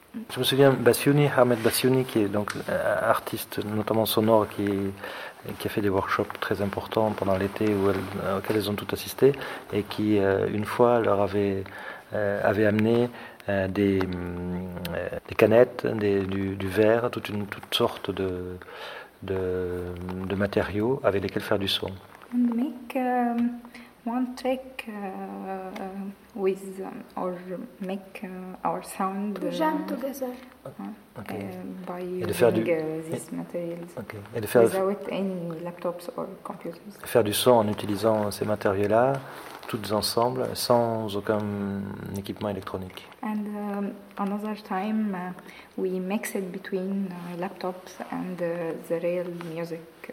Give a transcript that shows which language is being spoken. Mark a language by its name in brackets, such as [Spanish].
[French] Je me souviens Bassiouni, Ahmed Bassiouni, qui est donc artiste notamment sonore, qui a fait des workshops très importants pendant l'été auxquels elles ont toutes assisté, et qui une fois leur avait amené des canettes, du verre, toutes sortes de matériaux avec lesquels faire du son. [English] And make one track with or make our sound to jam together. By [French] et de faire [English] using these materials. [French] Okay. Et de faire [English] without any laptops or computers. [French] Faire du son en utilisant ces matériaux-là, toutes ensemble, sans aucun équipement électronique. [English] And another time, we mix it between laptops and the real music.